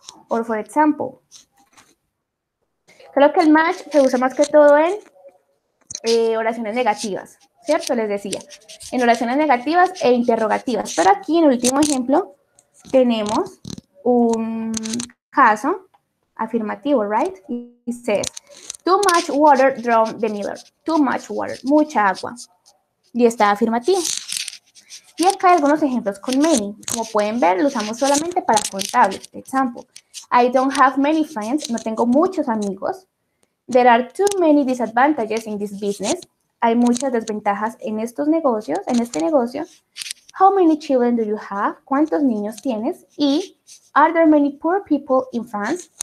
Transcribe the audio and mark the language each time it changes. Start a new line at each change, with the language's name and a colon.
English: Or, for example,
Spanish: creo que el much se usa más que todo en oraciones negativas, ¿cierto? Les decía, en oraciones negativas e interrogativas. Pero aquí, en el último ejemplo, tenemos un caso afirmativo, ¿right? Y dice,
English: too much water drowned the miller. Too much water,
Spanish: mucha agua. Y está afirmativo. Y acá hay algunos ejemplos con many. Como pueden ver, lo usamos solamente para contables. Por ejemplo,
English: I don't have many friends.
Spanish: No tengo muchos amigos.
English: There are too many disadvantages in this business.
Spanish: Hay muchas desventajas en estos negocios, en este negocio.
English: How many children do you have?
Spanish: ¿Cuántos niños tienes?
English: Y are there many poor people in France?